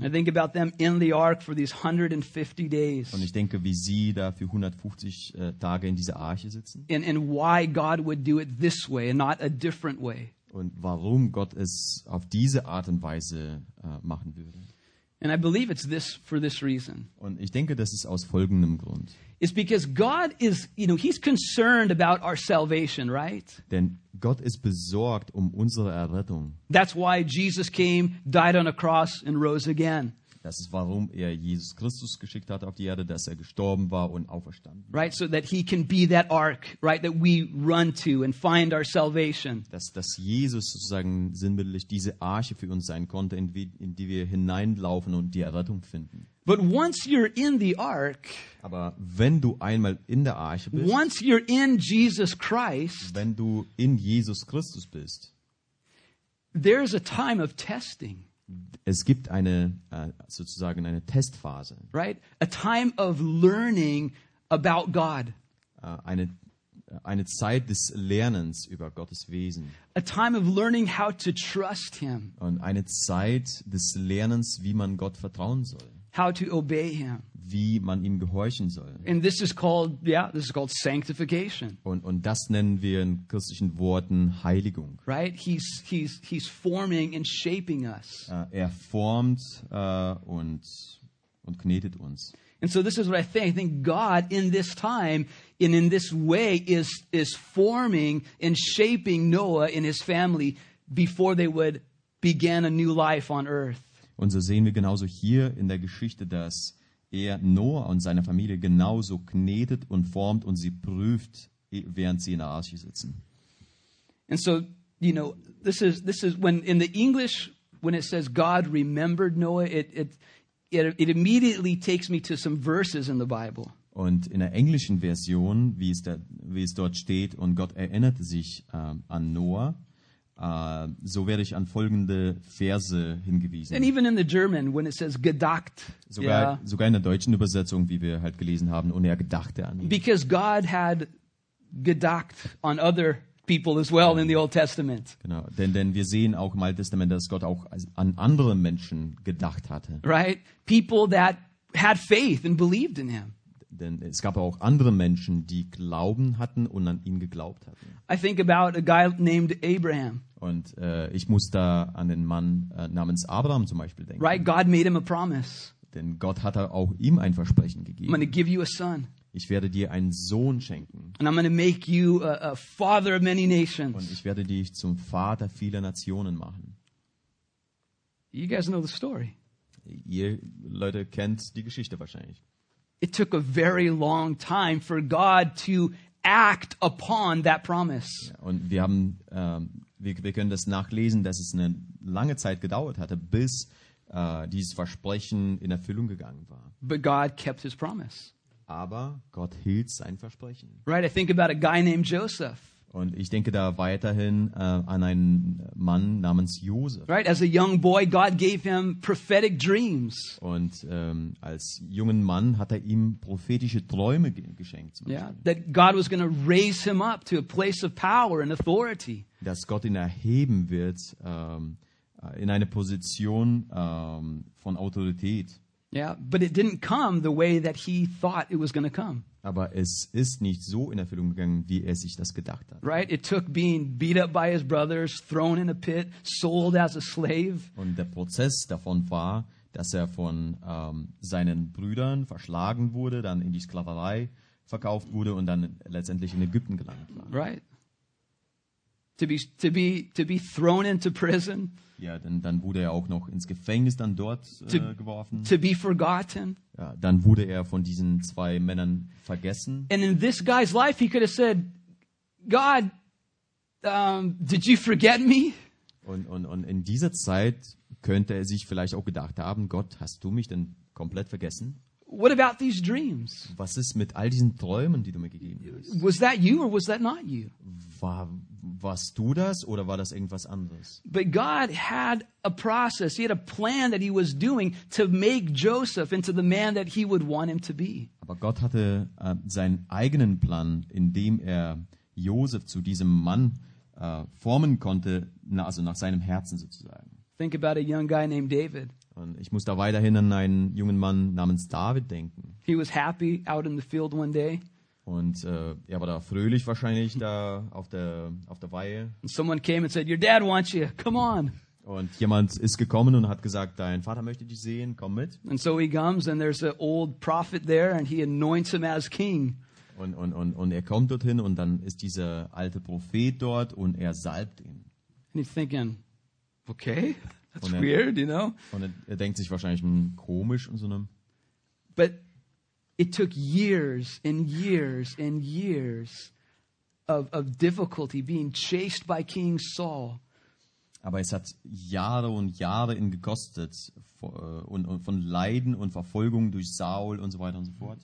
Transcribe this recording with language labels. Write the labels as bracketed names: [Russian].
[English] I think about them in the ark for these 150 days. [German] Und ich denke, wie sie da für 150 Tage in dieser Arche sitzen. [English] And why God would do it this way and not a different way. [German] Und warum Gott es auf diese Art und Weise machen würde. [English] And I believe it's this for this reason. [German] Und ich denke, das ist aus folgendem Grund. [English] It's because God is, you know, he's concerned about our salvation, right? [German] Denn Gott ist besorgt um unsere Errettung. [English] That's why Jesus came, died on a cross and rose again. [German] Das ist warum er Jesus Christus geschickt hat auf die Erde, dass er gestorben war und auferstanden. [English] Right, so that he can be that ark, right, that we run to and find our salvation. [German] Dass Jesus sozusagen sinnbildlich diese Arche für uns sein konnte, in die wir hineinlaufen und die Errettung finden. [English] But once you're in the ark, [German] aber wenn du einmal in der Arche bist, [English] once you're in Jesus Christ, [German] wenn du in Jesus Christus bist, [English] there's a time of testing. [German] Es gibt eine sozusagen eine Testphase. [English] Right? A time of learning about God. [German] Eine Zeit des Lernens über Gottes Wesen. [English] A time of learning how to trust him. [German] Und eine Zeit des Lernens, wie man Gott vertrauen soll. [English] How to obey him. [German] Wie man ihm gehorchen soll. [English] And this is called sanctification. [German] Und das nennen wir in christlichen Worten Heiligung. [English] Right? He's forming and shaping us. [German] Er formt und knetet uns. [English] And so this is what I think. I think God in this time and in this way is forming and shaping Noah and his family before they would begin a new life on earth. [German] Und so sehen wir genauso hier in der Geschichte, dass er Noah und seine Familie genauso knetet und formt und sie prüft, während sie in der Arche sitzen. [English] And so, you know, this is when in the English, when it says God remembered Noah, it immediately takes me to some verses in the Bible. [German] Und in der englischen Version, wie es dort steht, und Gott erinnerte sich an Noah, so werde ich an folgende Verse hingewiesen. [English] And even in the German, when it says gedacht, [German] sogar in der deutschen Übersetzung, wie wir halt gelesen haben, und er gedachte an ihn. [English] Because God had gedacht on other people as well in the Old Testament. [German] Genau, denn wir sehen auch im Alten Testament, dass Gott auch an andere Menschen gedacht hatte. [English] Right, people that had faith and believed in him. [German] Denn es gab auch andere Menschen, die Glauben hatten und an ihn geglaubt hatten. [English] I think about a guy named Abraham. [German] Und ich muss da an den Mann namens Abraham zum Beispiel denken. [English] Right, God made him a promise. [German] Denn Gott hatte auch ihm ein Versprechen gegeben. [English] I'm gonna give you a son. [German] Ich werde dir einen Sohn schenken. [English] And I'm gonna make you a father of many nations. [German] Und ich werde dich zum Vater vieler Nationen machen. [English] You guys know the story. [German] Ihr Leute kennt die Geschichte wahrscheinlich. [English] It took a very long time for God to act upon that promise. [German] Und wir haben wir können das nachlesen, dass es eine lange Zeit gedauert hatte, bis dieses Versprechen in Erfüllung gegangen war. [English] But God kept his promise. [German] Aber Gott hielt sein Versprechen. [English] Right, I think about a guy named Joseph. [German] Und ich denke da weiterhin an einen Mann namens Josef. [English] Right, as a young boy, God gave him prophetic dreams. [German] Und als jungen Mann hat er ihm prophetische Träume geschenkt. [English] Yeah, that God was going to raise him up to a place of power and authority. [German] Dass Gott ihn erheben wird in eine Position von Autorität. [English] Yeah, but it didn't come the way that he thought it was going to come. [German] Aber es ist nicht so in Erfüllung gegangen, wie er sich das gedacht hat. [English] Right, it took being beat up by his brothers, thrown in a pit, sold as a slave. [German] Und der Prozess davon war, dass er von seinen Brüdern verschlagen wurde, dann in die Sklaverei verkauft wurde und dann letztendlich in Ägypten gelandet war. [English] Right. To be thrown into prison. [German] Ja, dann wurde er auch noch ins Gefängnis dann dort geworfen. [English] To be forgotten. [German] Ja, dann wurde er von diesen zwei Männern vergessen. [English] And in this guy's life, he could have said, God, did you forget me? [German] Und in dieser Zeit könnte er sich vielleicht auch gedacht haben, Gott, hast du mich denn komplett vergessen? [English] What about these dreams? [German] Was ist mit all diesen Träumen, die du mir gegeben hast? [English] Was that you or was that not you? [German] Warst du das oder war das irgendwas anderes? [English] But God had a process. He had a plan that he was doing to make Joseph into the man that he would want him to be. [German] Aber Gott hatte seinen eigenen Plan, in dem er Joseph zu diesem Mann formen konnte, also nach seinem Herzen sozusagen. [English] Think about a young guy named David. [German] Und ich muss da weiterhin an einen jungen Mann namens David denken. [English] He was happy out in the field one day. [German] Und er war da fröhlich wahrscheinlich da auf der Weihe. [English] And someone came and said, your dad wants you. Come on. [German] Und jemand ist gekommen und hat gesagt, dein Vater möchte dich sehen. Komm mit. [English] And so he comes and there's an old prophet there and he anoints him as king. [German] Und er kommt dorthin und dann ist dieser alte Prophet dort und er salbt ihn. [English] And he's thinking, okay. That's weird, you know? [German] Und er denkt sich wahrscheinlich komisch und so einem. [English] But it took years and years and years of difficulty being chased by King Saul. [German] Aber es hat Jahre und Jahre ihn gekostet und von Leiden und Verfolgung durch Saul und so weiter und so fort.